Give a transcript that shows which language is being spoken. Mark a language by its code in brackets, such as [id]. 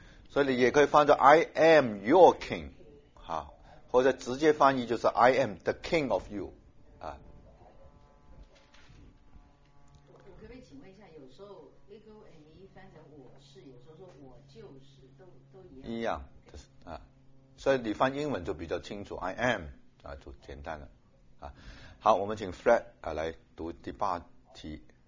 [zh] 所以你也可以放在 [en] I am your king。 [zh] 或者直接翻译就是 [en] I am the king of you、 [zh] 啊、我可不可以请问一下，有时候 ego and me 翻成我是，有时候说我就是 都一样、啊、所以你翻英文就比较清楚 [en] I am、 [zh] 啊、就简单了、啊、好，我们请 Fred、啊、来读第八题。